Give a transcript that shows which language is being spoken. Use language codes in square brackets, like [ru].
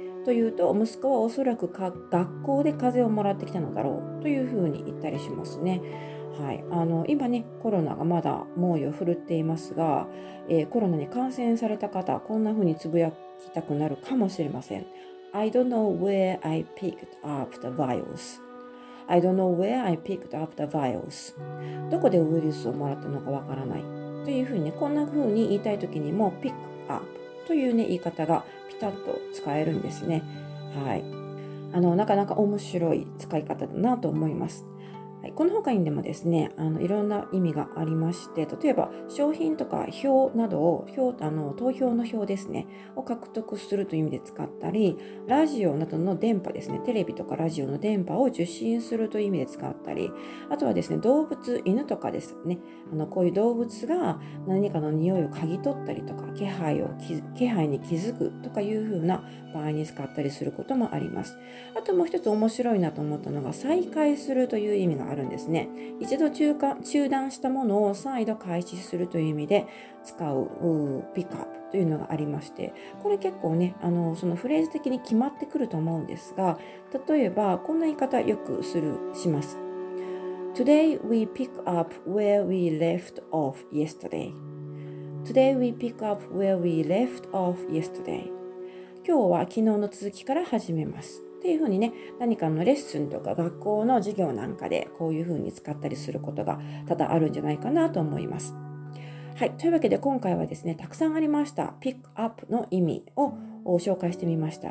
[ja] というと、息子はおそらく学校で風邪をもらってきたのだろうというふうに言ったりしますね。はい。今ね、コロナがまだ猛威を振るっていますが、コロナに感染された方はこんなふうにつぶやきたくなるかもしれません。 [en] I don't know where I picked up the virus. I don't know where I picked up the virus. [ja] どこでウイルスをもらったのかわからない。というふうにね、こんなふうに言いたいときにも、pick up というね、言い方がピタッと使えるんですね。はい。なかなか面白い使い方だなと思います。はい、この他にでもですね、いろんな意味がありまして、例えば、商品とか票などを、投票の票ですね、を獲得するという意味で使ったり、ラジオなどの電波ですね、テレビとかラジオの電波を受信するという意味で使ったり、あとはですね、動物、犬とかですね、こういう動物が何かの匂いを嗅ぎ取ったりとか、気配に気づくとかいうふうな場合に使ったりすることもあります。あともう一つ面白いなと思ったのが、再開するという意味があるんですね。一度中断したものを再度開始するという意味で使うピックアップというのがありまして、これ結構ね、そのフレーズ的に決まってくると思うんですが、例えばこんな言い方よくします。 [en] Today we pick up where we left off yesterday. Today we pick up where we left off yesterday. [ja] 今日は昨日の続きから始めますっていう風にね、何かのレッスンとか学校の授業なんかでこういう風に使ったりすることが多々あるんじゃないかなと思います。はい、というわけで今回はですね、たくさんありましたピックアップの意味を紹介してみました。